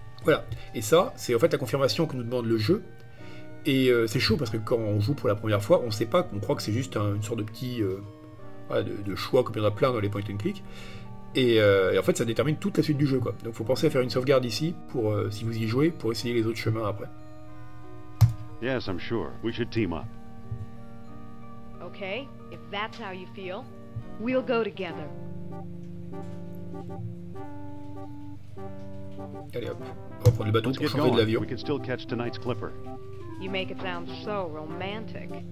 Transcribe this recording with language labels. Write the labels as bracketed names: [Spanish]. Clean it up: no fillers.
[French] Voilà, et ça, c'est en fait la confirmation que nous demande le jeu, Et c'est chaud parce que quand on joue pour la première fois, on ne sait pas, on croit que c'est juste une sorte de petit de choix comme il y en a plein dans les point and click. Et en fait, ça détermine toute la suite du jeu, quoi. Donc, faut penser à faire une sauvegarde ici pour si vous y jouez, pour essayer les autres chemins après. [English] Yes, I'm sure. We should team up. Okay, if that's how you feel, we'll go together. [French] Allez hop, on va prendre le bâton pour changer de l'avion. [English] We can still catch tonight's clipper. You make it sound so romantic.